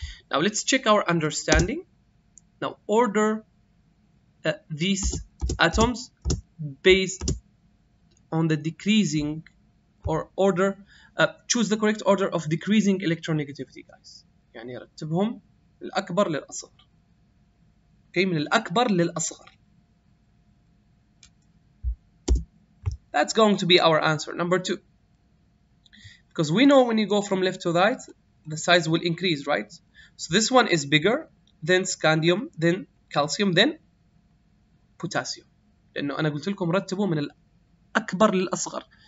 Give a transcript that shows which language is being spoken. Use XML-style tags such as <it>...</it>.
<en>Now let's check our understanding. Now order these atoms based on the decreasing or order. Choose the correct order of decreasing electronegativity, guys.</en> <ar>يعني رتبهم الأكبر للأصغر. Okay, من الأكبر للأصغر.</ar> <en>That's going to be our answer, number two. Because we know when you go from left to right, the size will increase, right? So this one is bigger than scandium, then calcium, then potassium.</en> <ar>لأنه أنا قلت لكم رتبوا من الأكبر للأصغر.</ar>